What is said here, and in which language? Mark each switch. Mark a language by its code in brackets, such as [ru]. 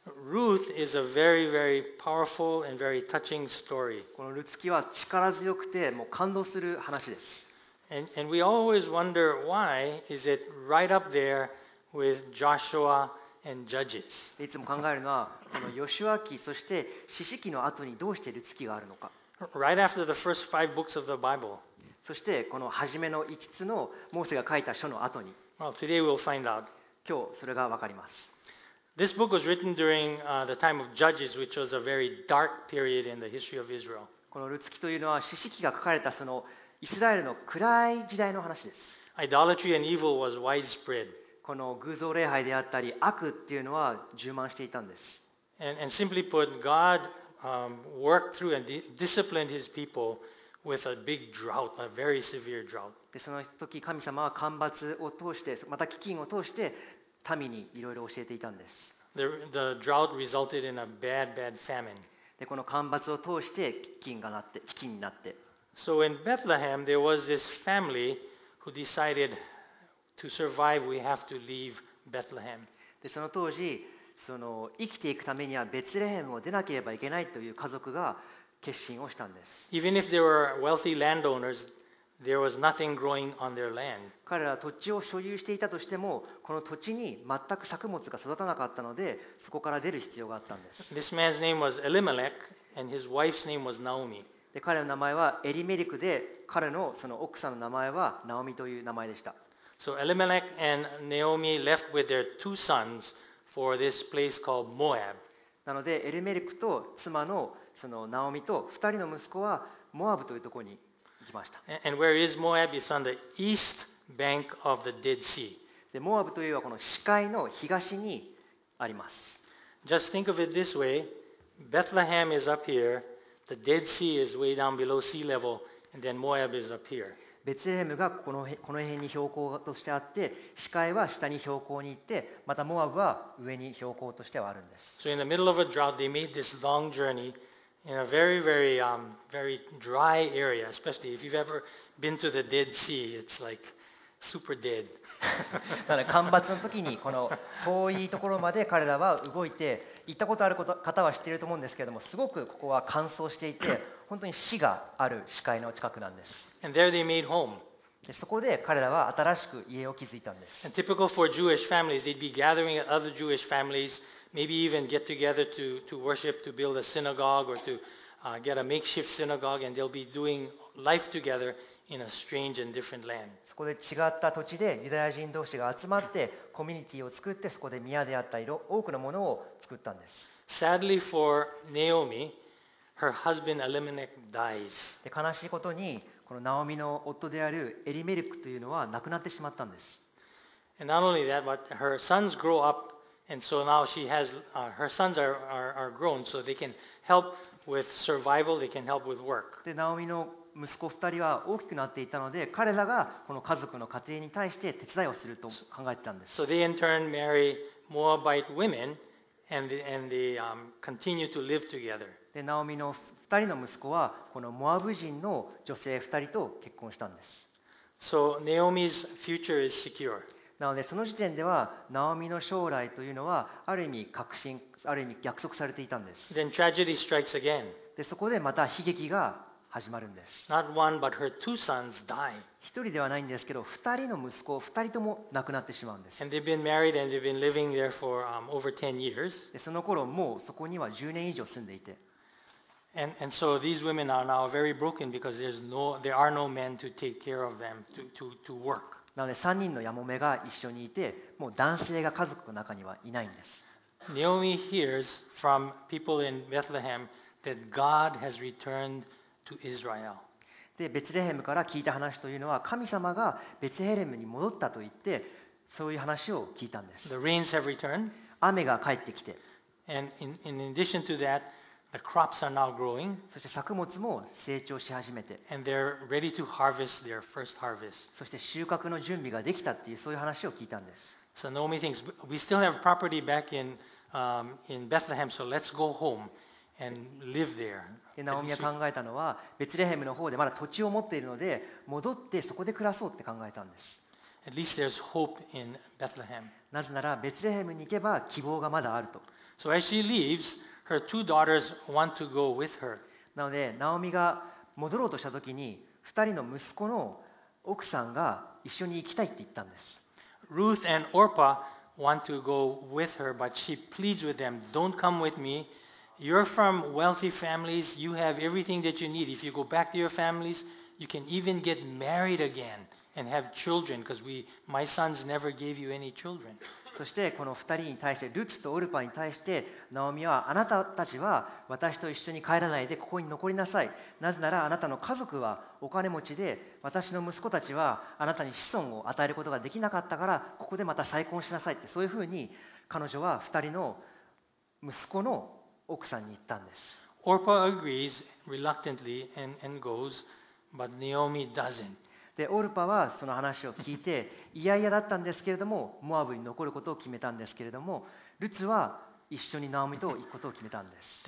[en] Ruth is a very, very powerful and very touching story. [ja] このルツ記は力強くてもう感動する話です。 [en] And we always wonder why is it right up there with Joshua and Judges? [ja] いつも考えるのはこのヨシュア記そして詩詩記の後にどうしてルツ記があるのか。 [en] Right after the first five books of the Bible. [ja] そしてこの初めの5つのモーセが書いた書の後に。 [en] Well, today we'll find out. [ja] 今日それがわかります。 [en] This book was written during the time of Judges, which was a very dark period in the history of Israel. [ja] このルツ記というのは詩詩記が書かれたそのイスラエルの暗い時代の話です。 [en] Idolatry and evil was widespread. [ja] この偶像礼拝であったり悪っていうのは充満していたんです。 [en] And simply put, God worked through and disciplined His people with a big drought, a very severe drought. [ja] でその時神様は干ばつを通してまた飢饉を通して民にいろいろ教えていたんです。 [en] The drought resulted in a bad, bad famine. [ja] でこの干ばつを通して飢饉になって。 [en] So in Bethlehem, there was this family who decided to survive. We have to leave Bethlehem. [ja] で、その当時、その生きていくためにはベツレヘムを出なければいけないという家族が決心をしたんです。 [en] Even if they were wealthy landowners, there was nothing growing on their land. [ja] 彼らは土地を所有していたとしても、この土地に全く作物が育たなかったので、そこから出る必要があったんです。 [en] This man's name was Elimelech, and his wife's name was Naomi. [ja] で彼の名前はエリメリクで彼 の, その奥さんの名前はナオミという名前でした。 [en] So Elimelech and Naomi left with their two sons for this place called Moab. [ja] なのでエリメリクと妻 の, そのナオミと二人の息子はモアブというところに行きました。 [en] And where is Moab? It's on the east bank of the Dead Sea. [ja] でモアブというのはこの死海の東にあります。 [en] Just think of it this way: Bethlehem is up here. The Dead Sea is way down below sea level, and then Moab is up here. [ja] ベツレヘムがこの辺に標高としてあって、死海は下に標高に行って、またモアブは上に標高としてはあるんです。 [en] So in the middle of a drought, they made this long journey in a very, very, very dry area. Especially if you've ever been to the Dead Sea, it's like super dead. [ja] だから干ばつの時にこの遠いところまで彼らは動いて。行ったことある方は知っていると思うんですけれども、すごくここは乾燥していて、本当に死がある視界の近くなんです。 [en] And there they made home. [ja] でそこで彼らは新しく家を築いたんです。 [en] And typical for Jewish families, they'd be gathering at other Jewish families, maybe even get together to worship, to build a synagogue or to get a makeshift synagogue, and they'll be doing life together in a strange and different land. [ja] ここで違った土地でユダヤ人同士が集まってコミュニティを作ってそこで宮であった色多くのものを作ったんです。 [en] Sadly for Naomi, her husband Elimelech dies. [ja] で悲しいことにこのナオミの夫であるエリメリクというのは亡くなってしまったんです。 [en] And not only that, but her sons grow up, and so now she has her sons are grown, so they can help with survival. They can help with work. [ja] でナオミの息子二人は大きくなっていたので、彼らがこの家族の家庭に対して手伝いをすると考えていたんです。 [en] So they in turn marry Moabite women, and they continue to live together. [ja] で、ナオミの二人の息子はこのモアブ人の女性二人と結婚したんです。 [en] So Naomi's future is secure. [ja] なのでその時点ではナオミの将来というのはある意味確信、ある意味約束されていたんです。 [en] Then tragedy strikes again. [ja] でそこでまた悲劇が始まるんです。 [en] Not one, but her two sons die. [ja] 一人ではないんですけど二人の息子二人とも亡くなってしまうんです。 [en] And they've been married and they've been living there for over 10 years. [ja] でその頃もうそこには10年以上住んでいて、 [en] And so these women are now very broken because there are no men to take care of them to work. [ja] なので3人のヤモメが一緒にいて、もう男性が家族の中にはいないんです。 [en] Naomi hears from people in Bethlehem that God has returned to Israel. [ja] で、ベツレヘムから聞いた話というのは、神様がベツヘレムに戻ったと言って、そういう話を聞いたんです。 [en] The rains have returned. [ja] 雨が帰ってきて。 [en] And in addition to that,The crops are now growing. [ja] そして作物も成長し始めて、 [en] And they're ready to harvest their first harvest. [ja] そして収穫の準備ができたっていうそういう話を聞いたんです。 [en] So Naomi thinks we still have property back in Bethlehem, so let's go home and live there. [ja] で、ナオミは考えたのは、ベツレヘムの方でまだ土地を持っているので、戻ってそこで暮らそうって考えたんです。 [en] At least there's hope in Bethlehem. [ja] なぜならベツレヘムに行けば希望がまだあると。 [en] So as she leaves. Her two daughters want to go with her. [ja] なので、ナオミが戻ろうとしたときに、二人の息子の奥さんが一緒に行きたいって言ったんです。 [en] Ruth and Orpah want to go with her, but she pleads with them, "Don't come with me. You're from wealthy families. You have everything that you need. If you go back to your families, you can even get married again and have children, because my sons never gave you any children." [ja] そしてこの二人に対して、ルツとオルパに対して、ナオミはあなたたちは私と一緒に帰らないでここに残りなさい。なぜならあなたの家族はお金持ちで、私の息子たちはあなたに子孫を与えることができなかったから、ここでまた再婚しなさいって、そういうふうに彼女は二人の息子の奥さんに言ったんです。 [en] オルパ agrees reluctantly and goes, but Naomi doesn't. [ja] でオルパはその話を聞いて、いやいやだったんですけれども、モアブに残ることを決めたんですけれども、ルツは一緒にナオミと行くことを決めたんです。